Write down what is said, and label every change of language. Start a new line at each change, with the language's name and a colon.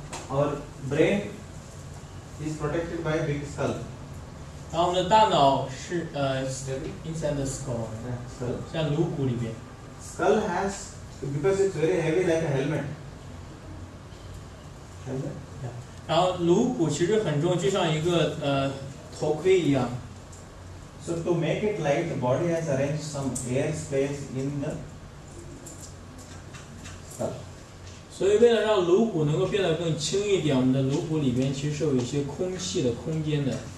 English: Our brain is protected by a big skull. Our brain is inside the skull. Yeah, skull. Like skull has, because it's very heavy like a helmet. Helmet?
Chinese: 然后颅骨其实很重，就像一个头盔一样。
English: So to make it light, the body has arranged some air space in the skull.
Chinese: 所以为了让颅骨能够变得更轻一点，我们的颅骨里面其实是有一些空隙的空间的。